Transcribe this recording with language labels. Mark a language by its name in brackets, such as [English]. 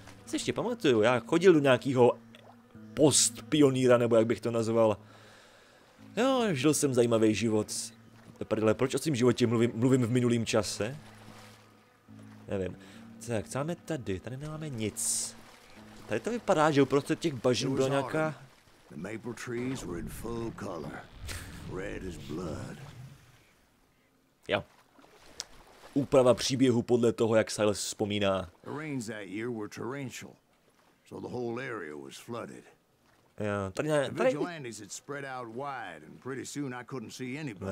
[Czech] Já si ještě pamatuju, já chodil do nějakého post-pionýra, nebo jak bych to nazval. Jo, žil jsem zajímavý život. Prdele, proč o svým životě mluvím v minulém čase? Nevím. Tak, co máme tady? Tady nemáme nic. Tady to vypadá, že uprostřed těch bažin byla nějaká... [English] The maple trees were in full color, red as blood. [Czech] Jo. Úprava příběhu podle toho, jak Silas vzpomíná. [English] The rains that year were torrential, so the whole area was flooded. [Czech] Tady... [English] The vigilantes had spread out wide, and pretty soon I couldn't see anybody.